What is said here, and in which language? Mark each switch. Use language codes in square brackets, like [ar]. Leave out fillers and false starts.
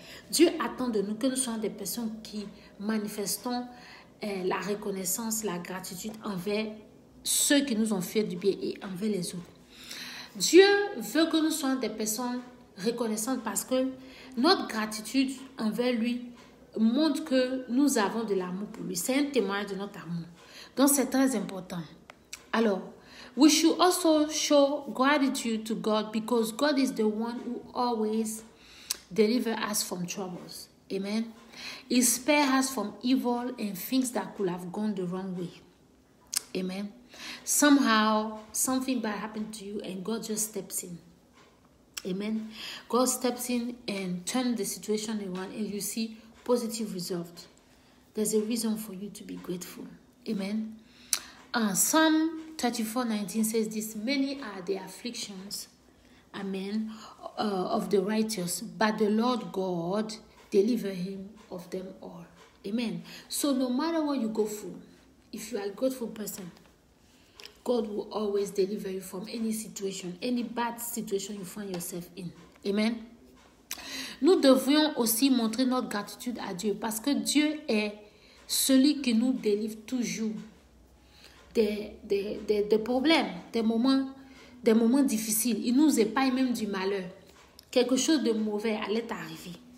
[fr] Dieu attend de nous que nous soyons des personnes qui manifestons la reconnaissance, la gratitude envers ceux qui nous ont fait du bien et envers les autres. Dieu veut que nous soyons des personnes reconnaissantes parce que notre gratitude envers lui montre que nous avons de l'amour pour lui. C'est un témoignage de notre amour. Donc, c'est très important. [en] Alors, we should also show gratitude to God because God is the one who always delivers us from troubles. Amen. He spares us from evil and things that could have gone the wrong way. Amen. Somehow, something bad happened to you and God just steps in. Amen. God steps in and turns the situation around and you see positive results. There's a reason for you to be grateful. Amen. Psalm 34:19 says this, many are the afflictions, amen, of the righteous, but the Lord God deliver him of them all. Amen. So no matter what you go through, if you are a grateful person, God will always deliver you from any situation, any bad situation you find yourself in. Amen. [fr] Nous devrions aussi montrer notre gratitude à Dieu parce que Dieu est celui qui nous délivre toujours des problèmes, des moments difficiles. Il nous épargne même du malheur. Quelque chose de mauvais allait arriver.